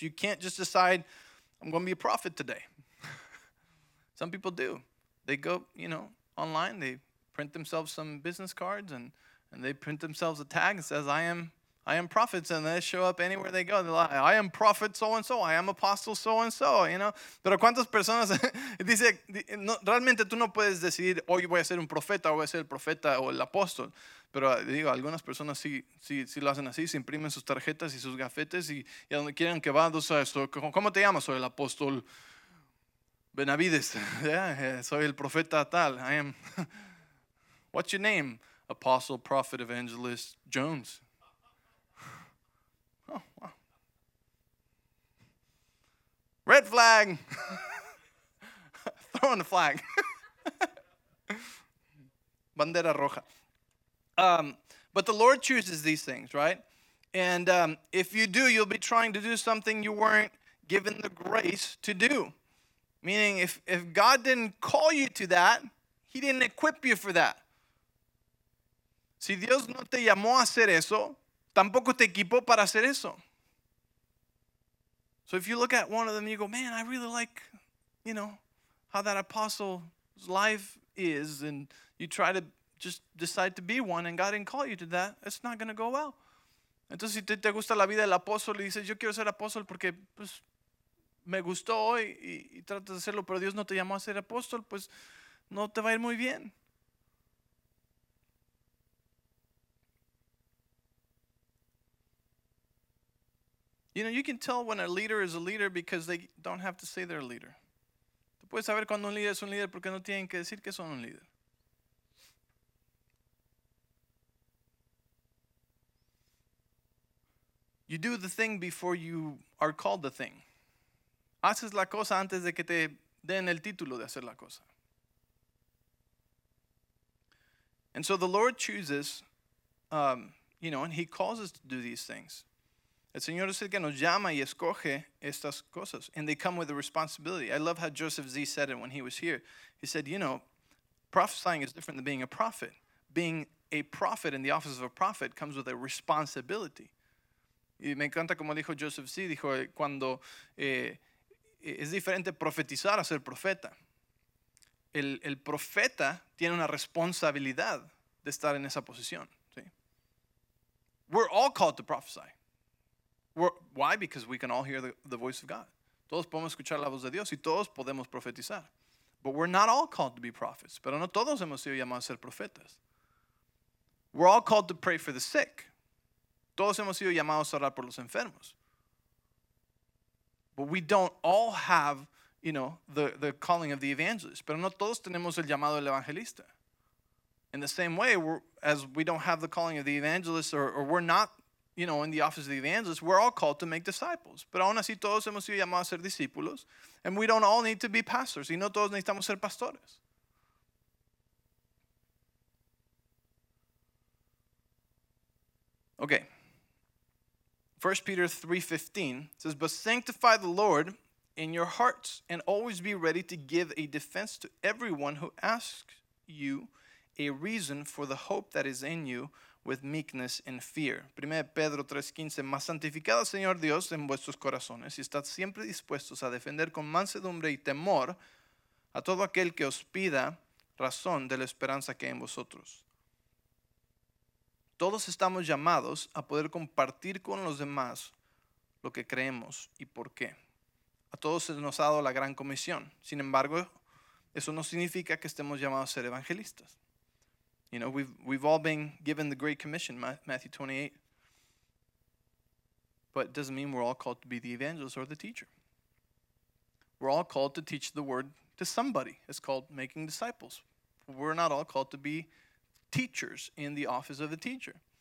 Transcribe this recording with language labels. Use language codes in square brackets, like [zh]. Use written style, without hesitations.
[en] You can't just decide, I'm going to be a prophet today. Some people do. They go, you know, online, they print themselves some business cards and they print themselves a tag that says, I am prophets, and they show up anywhere they go. They're like, I am prophet so-and-so, I am apostle so-and-so, you know. [es] Pero cuántas personas, dice, no, realmente tú no puedes decidir, hoy voy a ser un profeta, voy a ser el profeta o el apóstol. Pero digo, algunas personas sí lo hacen así, se imprimen sus tarjetas y sus gafetes y a donde quieran que van, o sea, ¿cómo te llamas? Soy el apóstol Benavides, yeah, soy el profeta tal, [en] I am. What's your name? Apostle, prophet, evangelist, Jones. Oh, wow. Red flag. Throwing the flag. [es] Bandera roja. [en] But the Lord chooses these things, right? And if you do, you'll be trying to do something you weren't given the grace to do. Meaning, if God didn't call you to that, he didn't equip you for that. [es] Si Dios no te llamó a hacer eso, tampoco te equipó para hacer eso. [en] So if you look at one of them, you go, man, I really like, you know, how that apostle's life is, and you try to just decide to be one, and God didn't call you to that, it's not going to go well. [es] Entonces, si te gusta la vida del apóstol, y dices, yo quiero ser apóstol porque, pues, me gustó hoy, y tratas de hacerlo, pero Dios no te llamó a ser apóstol, pues, no te va a ir muy bien. [en] You know, you can tell when a leader is a leader because they don't have to say they're a leader. [es] Tú puedes saber cuando un líder es un líder porque no tienen que decir que son un líder. [en] You do the thing before you are called the thing. [es] Haces la cosa antes de que te den el título de hacer la cosa. [en] And so the Lord chooses, you know, and he calls us to do these things. [es] El Señor es el que nos llama y escoge estas cosas. [en] And they come with a responsibility. I love how Joseph Z said it when he was here. He said, you know, prophesying is different than being a prophet. Being a prophet in the office of a prophet comes with a responsibility. [es] Y me encanta como dijo Joseph Z. Dijo, cuando es diferente profetizar a ser profeta. El profeta tiene una responsabilidad de estar en esa posición. [en] ¿Sí? We're all called to prophesy. Why? Because we can all hear the voice of God. [es] Todos podemos escuchar la voz de Dios y todos podemos profetizar. [en] But we're not all called to be prophets. [es] Pero no todos hemos sido llamados a ser profetas. [en] We're all called to pray for the sick. [es] Todos hemos sido llamados a orar por los enfermos. [en] But we don't all have, you know, the calling of the evangelist. [es] Pero no todos tenemos el llamado del evangelista. [en] In the same way, as we don't have the calling of the evangelist, or we're not, you know, in the office of the evangelist, we're all called to make disciples. [es] Pero aún así todos hemos sido llamados a ser discípulos. [en] And we don't all need to be pastors. [es] Y no todos necesitamos ser pastores. [en] Okay. 1 Peter 3:15 says, "But sanctify the Lord in your hearts and always be ready to give a defense to everyone who asks you a reason for the hope that is in you with meekness and fear." [es] 1 Pedro 3:15, "Mas santificad al Señor Dios en vuestros corazones y estad siempre dispuestos a defender con mansedumbre y temor a todo aquel que os pida razón de la esperanza que hay en vosotros." Todos estamos llamados a poder compartir con los demás lo que creemos y por qué. A todos se nos ha dado la gran comisión. Sin embargo, eso no significa que estemos llamados a ser evangelistas. [en] You know, we've all been given the Great Commission, Matthew 28. But it doesn't mean we're all called to be the evangelist or the teacher. We're all called to teach the word to somebody. It's called making disciples. We're not all called to be teachers in the office of the teacher.